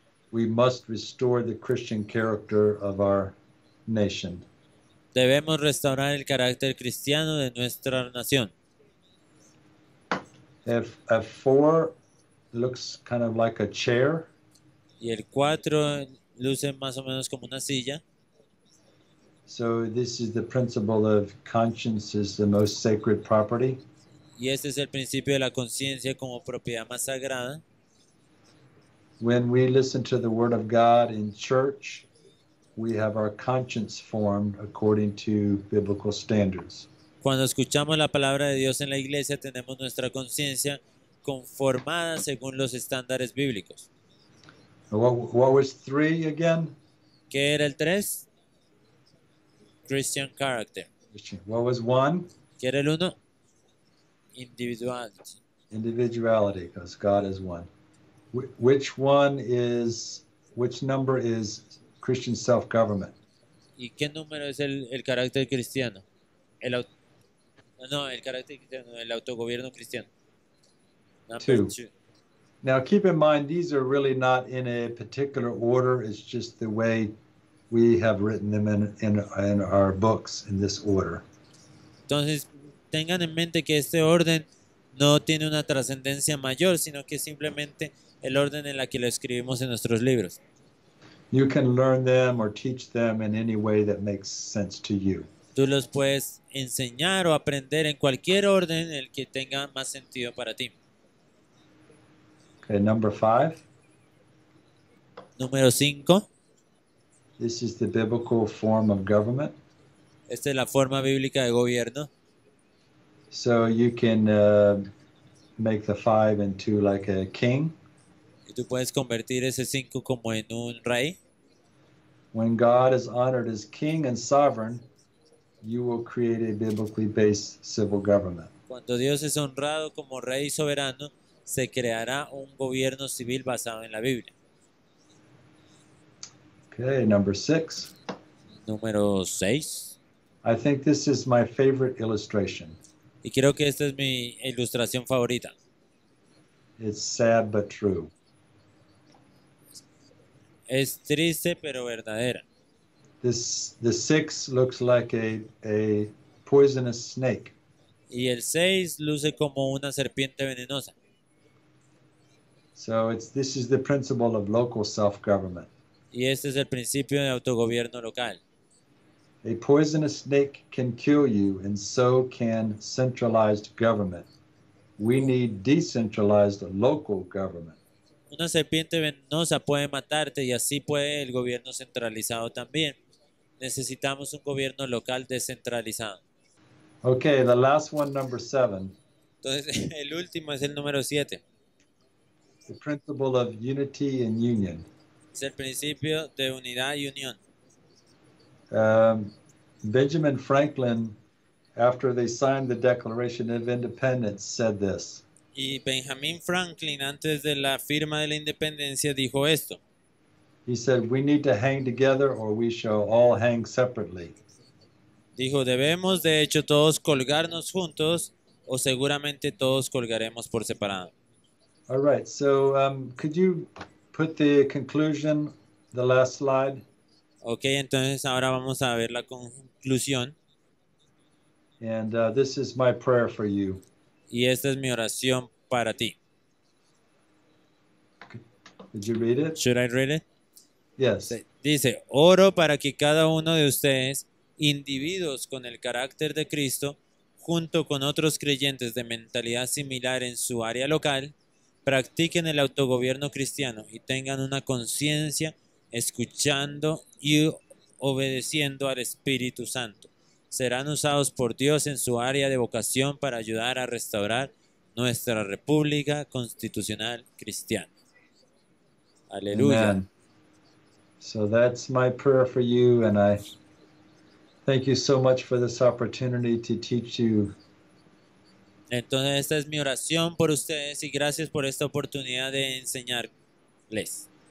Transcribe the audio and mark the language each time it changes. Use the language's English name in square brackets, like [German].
[English] We must restore the Christian character of our nation. [Spanish] Debemos restaurar el carácter cristiano de nuestra nación. [English] If a four looks kind of like a chair, [Spanish] Y el 4 luce más o menos como una silla. [English] so this is the principle of conscience is the most sacred property. [Spanish] Y este es el principio de la conciencia como propiedad más sagrada. [English] When we listen to the word of God in church, we have our conscience formed according to biblical standards. [Spanish] Cuando escuchamos la palabra de Dios en la iglesia, tenemos nuestra conciencia conformada según los estándares bíblicos. [English] What was three again? [Spanish] ¿Qué era el 3? [English] Christian character. What was one? [Spanish] ¿Qué era el 1? [English] Individuality. Individuality, because God is one. Which number is Christian self-government? [Spanish] ¿Y qué número es el carácter cristiano? No, el carácter cristiano, el autogobierno cristiano. [English] Number Two. two. Now keep in mind these are really not in a particular order, it's just the way we have written them in our books in this order. [Spanish] Entonces, tengan en mente que este orden no tiene una trascendencia mayor, sino que es simplemente el orden en la que lo escribimos en nuestros libros. [English] You can learn them or teach them in any way that makes sense to you. [Spanish] Tú los puedes enseñar o aprender en cualquier orden en el que tenga más sentido para ti. [English] Okay, number five. [Spanish] Número 5. [English] This is the biblical form of government. [Spanish] Esta es la forma bíblica de gobierno. [English] So you can make the five into like a king. [Spanish] Y tú puedes convertir ese 5 como en un rey. [English] When God is honored as king and sovereign, you will create a biblically based civil government. [Spanish] Cuando Dios es honrado como rey soberano, se creará un gobierno civil basado en la Biblia. [English] Okay, number six. [Spanish] Número 6. [English] I think this is my favorite illustration. [Spanish] Y creo que esta es mi ilustración favorita. [English] It's sad but true. [Spanish] Es triste, pero verdadera. [English] The six looks like a poisonous snake. [Spanish] Y el 6 luce como una serpiente venenosa. [English] So this is the principle of local self-government. [Spanish] Y este es el principio de autogobierno local. [English] A poisonous snake can kill you, and so can centralized government. We need decentralized local government. [Spanish] Una serpiente venenosa puede matarte y así puede el gobierno centralizado también. Necesitamos un gobierno local descentralizado. [English] Okay, the last one, number seven. [Spanish] Entonces, el último es el número 7. [English] The principle of unity and union. [Spanish] Es el principio de unidad y unión. [English] Benjamin Franklin, after they signed the Declaration of Independence, said this. [Spanish] Y Benjamin Franklin, antes de la firma de la independencia, dijo esto. [English] He said, "We need to hang together or we shall all hang separately." [Spanish] Dijo, debemos de hecho todos colgarnos juntos o seguramente todos colgaremos por separado. [English] All right, so could you put the conclusion, the last slide? [Spanish] Ok, entonces ahora vamos a ver la conclusión. [English] And this is my prayer for you. [Spanish] Y esta es mi oración para ti. [English] Did you read it? Should I read it? Yes. [Spanish] Dice, oro para que cada uno de ustedes, individuos con el carácter de Cristo, junto con otros creyentes de mentalidad similar en su área local, practiquen el autogobierno cristiano y tengan una conciencia escuchando y obedeciendo al Espíritu Santo. Serán usados por Dios en su área de vocación para ayudar a restaurar nuestra República Constitucional Cristiana. Aleluya. [English] Amen. So that's my prayer for you, and I thank you so much for this opportunity to teach you. Entonces, esta es mi oración por ustedes y gracias por esta oportunidad de enseñarles.